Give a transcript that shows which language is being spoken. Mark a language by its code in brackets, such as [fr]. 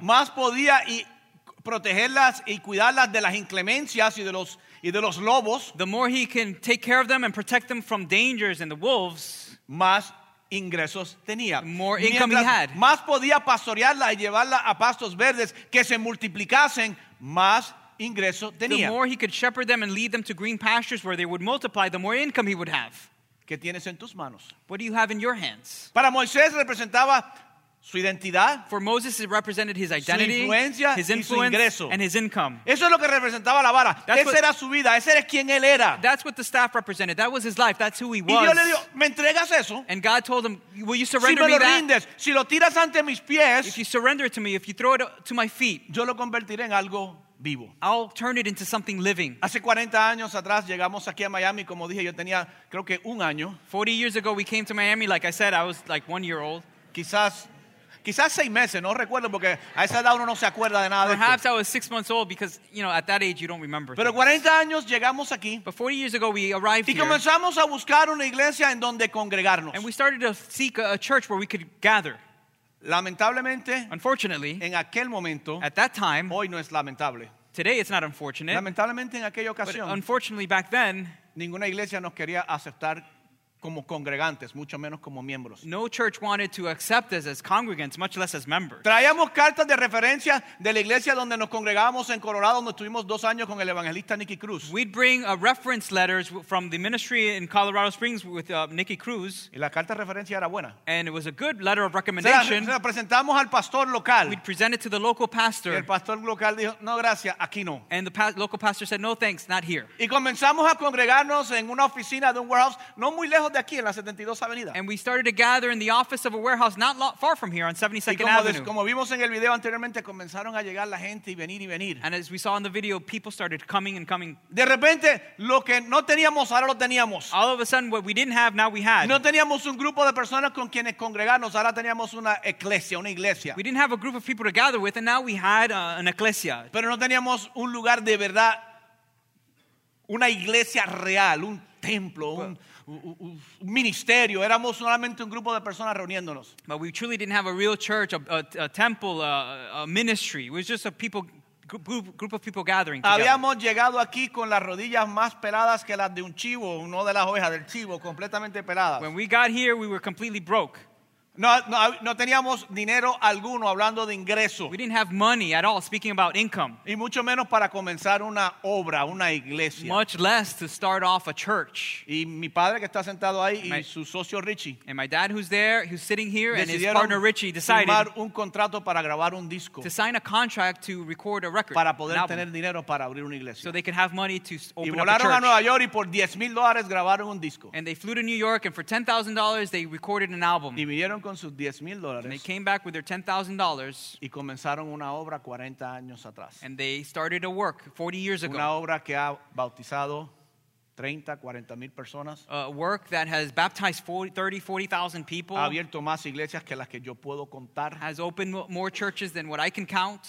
[es] Más podía y protegerlas y cuidarlas de las inclemencias y de los lobos. [en] The more he can take care of them and protect them from dangers and the wolves. [es] Más ingresos tenía. [en] More income [es] mientras [en] he had. [es] Más podía pastorearla y llevarla a pastos verdes que se multiplicasen, más ingreso tenía. [en] The more he could shepherd them and lead them to green pastures where they would multiply, the more income he would have. [es] ¿Qué tienes en tus manos? [en] What do you have in your hands? [es] Para Moisés representaba su identidad. [en] For Moses, it represented his identity, [es] su influencia, [en] his influence, and his income. [es] Eso es lo que representaba la vara. Esa era su vida. Ese era quien él era. [en] That's what the staff represented. That was his life. That's who he was. [es] Y Dios le dijo, ¿me entregas eso? [en] And God told him, will you surrender [es] si me, [en] me that? [es] Rindes, si lo tiras ante mis pies, [en] if you surrender it to me, if you throw it to my feet, [es] yo lo convertiré en algo vivo. [en] I'll turn it into something living. [es] Hace 40 años atrás llegamos aquí a Miami, como dije, yo tenía creo que un año. [en] 40 years ago we came to Miami, like I said, I was like 1 year old. [es] Quizás 6 meses, no recuerdo porque a esa edad uno no se acuerda de nada. [en] Perhaps I was 6 months old because, you know, at that age you don't remember. [es] Pero 40 años llegamos aquí. [en] But 40 years ago we arrived here. [es] Y comenzamos a buscar una iglesia en donde congregarnos. [en] And we started to seek a church where we could gather. [es] Lamentablemente, [en] unfortunately, [es] en aquel momento, [en] at that time, [es] hoy no es lamentable. [en] Today it's not unfortunate. [es] Lamentablemente en aquella ocasión, [en] but unfortunately back then, [es] ninguna iglesia nos quería aceptar como congregantes, mucho menos como miembros. [en] No church wanted to accept us as congregants, much less as members. [es] Traíamos cartas de referencia de la iglesia donde nos congregábamos en Colorado, donde estuvimos 2 años con el evangelista Nicky Cruz. [en] We'd bring reference letters from the ministry in Colorado Springs with Nicky Cruz. [es] Y la carta de referencia era buena. [en] And it was a good letter of recommendation. [es] Se la presentamos al pastor local. [en] We'd present it to the local pastor. [es] Y el pastor local dijo, no gracias, aquí no. [en] And the local pastor said, no thanks, not here. [es] Y comenzamos a congregarnos en una oficina de un warehouse, no muy lejos de aquí, en la 72 Avenida. [en] And we started to gather in the office of a warehouse not far from here on 72nd [es] como [en] Avenue. [es] Como vimos en el video anteriormente, comenzaron a llegar la gente y venir y venir. [en] And as we saw in the video, people started coming and coming. [es] De repente, lo que no teníamos, ahora lo teníamos. [en] All of a sudden, what we didn't have, now we had. [es] No teníamos un grupo de personas con quienes congregarnos, ahora teníamos una iglesia, una iglesia. [en] We didn't have a group of people to gather with, and now we had an iglesia. [es] Pero no teníamos un lugar de verdad, una iglesia real, un templo, un ministerio. Éramos solamente un grupo de personas reuniéndonos. [en] But we truly didn't have a real church, a temple, a ministry. It was just a people group of people gathering together. [es] Habíamos llegado aquí con las rodillas más peladas que las de un chivo, no de las ovejas, del chivo, completamente peladas. [en] When we got here, we were completely broke. [es] No teníamos dinero alguno hablando de ingreso. [en] We didn't have money at all, speaking about income. [es] Y mucho menos para comenzar una obra, una iglesia. [en] Much less to start off a church. [es] Y mi padre que está sentado ahí y su socio Richie. [en] And my dad who's there, who's sitting here, and his partner Richie decided [es] firmar un contrato para grabar un disco. [en] To sign a contract to record a record. [es] Para poder tener dinero para abrir una iglesia. [en] So they could have money to open up a church. [es] Y volaron a Nueva York y por $10,000 grabaron un disco. [en] And they flew to New York and for $10,000 they recorded an album. [es] Y vinieron con sus $10,000. [en] And they came back with their $10,000 [es] y comenzaron una obra 40 años atrás. [en] And they started a work 40 years ago. [es] Una obra que ha bautizado 30, 40 mil personas. [en] A work that has baptized 30,000-40,000 people. [es] Ha abierto más iglesias que las que yo puedo contar. [en] Has opened more churches than what I can count.